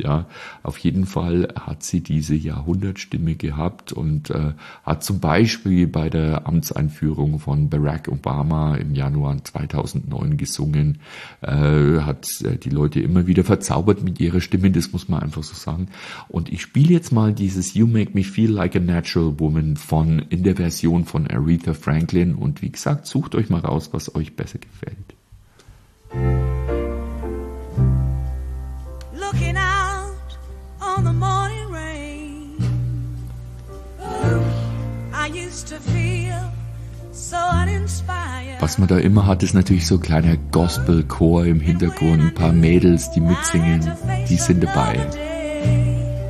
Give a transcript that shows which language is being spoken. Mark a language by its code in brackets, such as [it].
[de] Ja, auf jeden Fall hat sie diese Jahrhundertstimme gehabt und hat zum Beispiel bei der Amtseinführung von Barack Obama im Januar 2009 gesungen, hat die Leute immer wieder verzaubert mit ihrer Stimme, das muss man einfach so sagen. Und ich spiele jetzt mal dieses You Make Me Feel Like a Natural Woman von in der Version von Aretha Franklin und wie gesagt, sucht euch mal raus, was euch besser gefällt. [en] Looking out on the morning rain, I used to feel so uninspired. [de] Was man da immer hat, ist natürlich so ein kleiner Gospelchor im Hintergrund, ein paar Mädels, die mitsingen, die sind dabei.